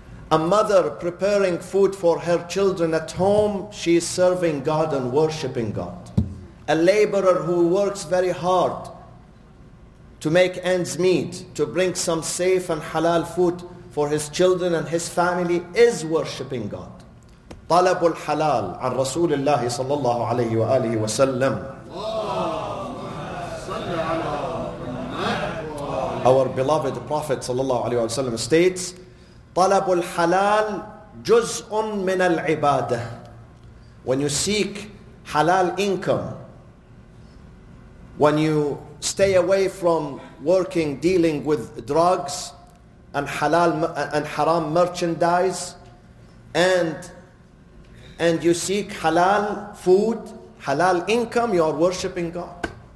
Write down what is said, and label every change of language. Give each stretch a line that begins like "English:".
English: A mother preparing food for her children at home, she is serving God and worshiping God. A laborer who works very hard to make ends meet, to bring some safe and halal food for his children and his family is worshipping God.
Arabic: طلب الحلال عن رسول الله صلى الله عليه وآله وسلم.
English: Our beloved Prophet
Arabic: صلى الله عليه وسلم
English: states,
Arabic: طلب الحلال جزء من العبادة.
English: When you seek halal income, when you stay away from working, dealing with drugs and halal and haram merchandise, and you seek halal food, halal income, you are worshipping God.